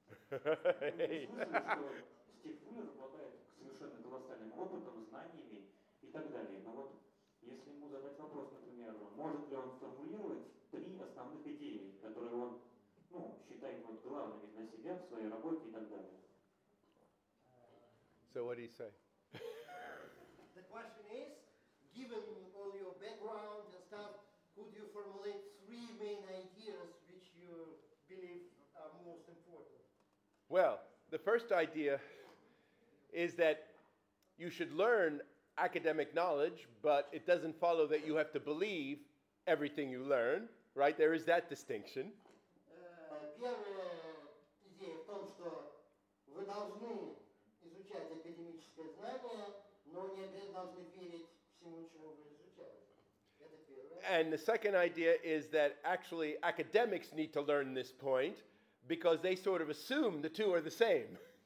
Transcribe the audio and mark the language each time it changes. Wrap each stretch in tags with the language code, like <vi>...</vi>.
<ru>Стив умер, обладает совершенно колоссальным опытом, знаниями и так далее. Но вот если ему задать вопрос, например, может ли он сформулировать три основных идеи, которые он считает главными для себя в своей работе и так далее.</ru> <en>So what do you say? The question is, given all your background and stuff, could you formulate three main ideas which you believe are most important? Well, the first idea is that you should learn academic knowledge, but it doesn't follow that you have to believe everything you learn, right? There is that distinction.</en> <ru>Первая идея в том, что вы должны изучать академическое знание, но не обязательно должны верить всему, чему вы изучаете.</ru> <en>And the second idea is that actually academics need to learn this point because they sort of assume the two are the same.</en>